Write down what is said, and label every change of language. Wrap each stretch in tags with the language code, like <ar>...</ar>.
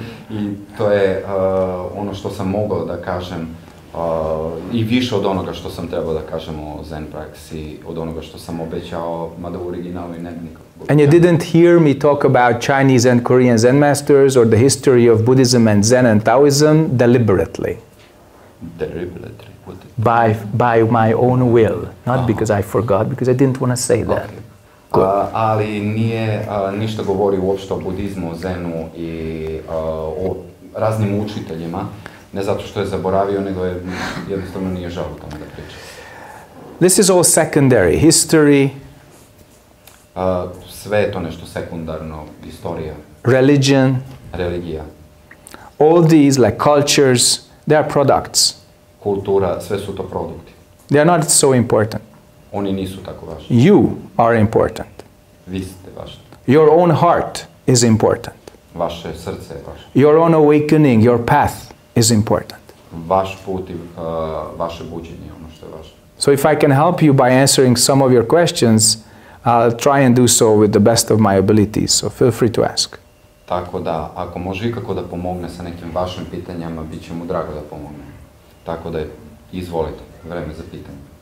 <sr>I to je ono što sam mogao da kažem i više od onoga što sam trebao da kažem o Zen praksi, od onoga što sam obećao, mada u originalu i ne bi nikako.</sr> <en>And you didn't hear me talk about Chinese and Korean Zen masters or the history of Buddhism and Zen and Taoism deliberately. Deliberately. By my own will, not because I forgot, because I didn't want to say that. Okay.</en> <sr>Ali nije ništa govori uopšte o budizmu, o Zenu i o raznim učiteljima, ne zato što je zaboravio, nego je jednostavno nije žao tamo da priča.</sr> <en>This is all secondary history.</en> <sr>Sve je to nešto sekundarno, istorija.</sr> <en>Religion.</en> <sr>Religija.</sr> <en>All these, like cultures, they are products.</en> <sr>Kultura, sve su to produkti.</sr> <en>They are not so important.</en> <sr>Oni nisu tako važni.</sr> <en>You are important.</en> <sr>Vi ste važni.</sr> <en>Your own heart is important.</en> <sr>Vaše srce je važno.</sr> <en>Your own awakening, your path is important.</en> <sr>Vaš put i vaše buđenje je ono što je važno.</sr> <en>So if I can help you by answering some of your questions, I'll try and do so with the best of my abilities, so feel free to ask.</en> <sr>Tako da, ako može ikako da pomogne sa nekim vašim pitanjama, bit će mu drago da pomogne. Tako da, izvolite, vreme za pitanje.</sr>